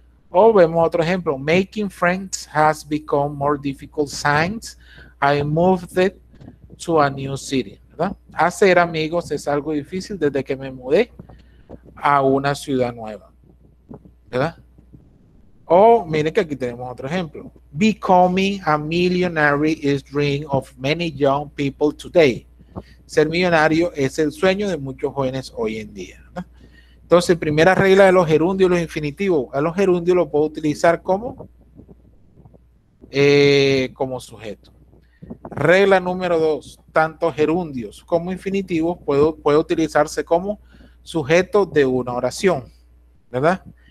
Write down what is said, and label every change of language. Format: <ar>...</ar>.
<es>O vemos otro ejemplo.</es> <en>Making friends has become more difficult since I moved to a new city,</en> <es>¿verdad? Hacer amigos es algo difícil desde que me mudé a una ciudad nueva, ¿verdad? O miren que aquí tenemos otro ejemplo.</es> <en>Becoming a millionaire is dream of many young people today.</en> <es>Ser millonario es el sueño de muchos jóvenes hoy en día. Entonces, primera regla de los gerundios, los infinitivos. A los gerundios los puedo utilizar como, como sujeto. Regla número dos. Tanto gerundios como infinitivos puede utilizarse como sujeto de una oración, ¿verdad?</es>